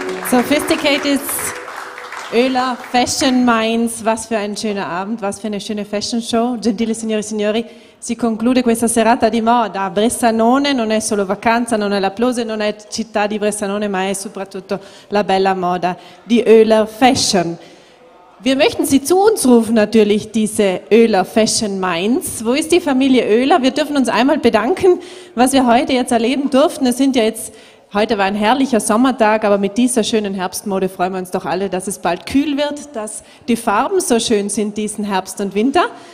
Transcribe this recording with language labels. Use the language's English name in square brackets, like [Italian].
[English] Sophisticated Oehler Fashion Minds. [German] Was für ein schöner Abend, was für eine schöne Fashion Show. [Italian] Gentile signori e signori, si conclude questa serata di moda. Bressanone non è solo vacanza, non è la Plose, non è città di Bressanone, ma è soprattutto la bella moda di Oehler Fashion. [German] Wir möchten Sie zu uns rufen, natürlich, diese Oehler Fashion Minds. Wo ist die Familie Oehler? Wir dürfen uns einmal bedanken, was wir heute jetzt erleben durften. Es sind ja jetzt, heute war ein herrlicher Sommertag, aber mit dieser schönen Herbstmode freuen wir uns doch alle, dass es bald kühl wird, dass die Farben so schön sind diesen Herbst und Winter.